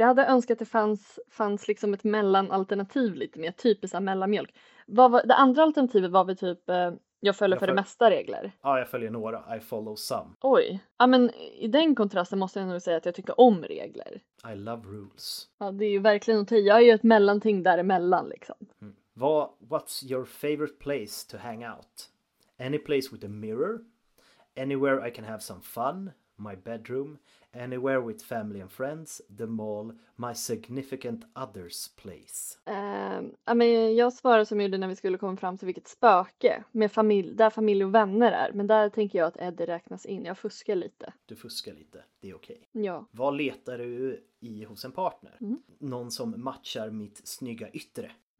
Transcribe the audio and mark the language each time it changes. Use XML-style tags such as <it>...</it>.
<sv>Jag hade önskat att det fanns liksom ett mellanalternativ lite mer typiskt mellanmjölk. Det andra alternativet var väl typ... Jag följer det mesta regler. Ja, jag följer några.</sv> <en>I follow some.</en> <sv>Oj. Ja, men i den kontrasten måste jag nog säga att jag tycker om regler.</sv> <en>I love rules.</en> <sv>Ja, det är ju verkligen att jag är ju ett mellanting däremellan liksom. Mm.</sv> <en>What's your favorite place to hang out? Any place with a mirror? Anywhere I can have some fun? My bedroom? Anywhere with family and friends? The mall? My significant other's place?</en> <sv>Jag svarar som gjorde när vi skulle komma fram till vilket spöke. Med där familj och vänner är. Men där tänker jag att Eddie räknas in. Jag fuskar lite. Du fuskar lite. Det är okej. Okay. Ja. Vad letar du i hos en partner? Mm. Någon som matchar mitt snygga yttre.</sv>